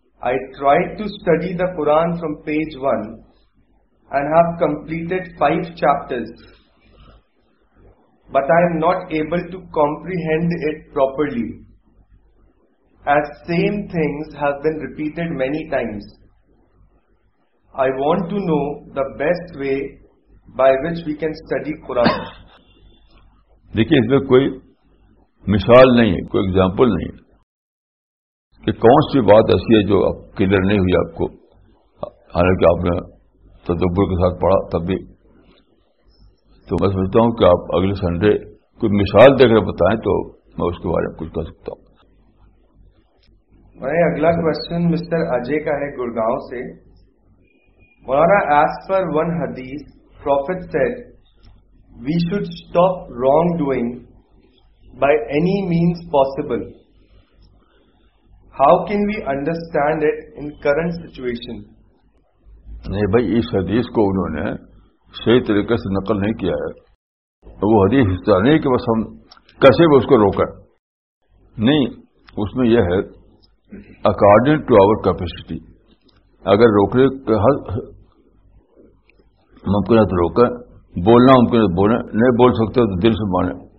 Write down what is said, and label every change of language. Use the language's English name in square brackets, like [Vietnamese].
[English] I tried to study the Quran from page 1 and have completed 5 chapters, but I am not able to comprehend it properly as same things have been repeated many times. I want to know the best way by which we can study Quran. [Urdu] دیکھیے, اس میں کوئی مثال نہیں ہے, کوئی example نہیں ہے کہ کون سی بات ایسی ہے جو آپ کلیئر نہیں ہوئی آپ کو, حالانکہ آپ نے تدبر کے ساتھ پڑھا تب بھی. تو میں سمجھتا ہوں کہ آپ اگلے سنڈے کوئی مثال دے کر بتائیں تو میں اس کے بارے میں کچھ کہہ سکتا ہوں. میرا اگلا کوشچن مسٹر اجے کا ہے گڑگاؤں سے. [English] مولانا, as per one حدیث prophet said we should stop wrongdoing by any means possible. How can we understand it in current situation? [Urdu] نہیں بھائی, اس حدیث کو انہوں نے صحیح طریقے سے نقل نہیں کیا ہے. وہ حدیث اس طرح نہیں کہ بس ہم کیسے بھی اس کو روکیں, نہیں. اس میں یہ ہے اکارڈنگ ٹو آور کیپیسٹی, اگر روکنے کا ممکن ہے تو روکیں, بولنا ان کے بولے, نہیں بول سکتے تو دل سے مانے.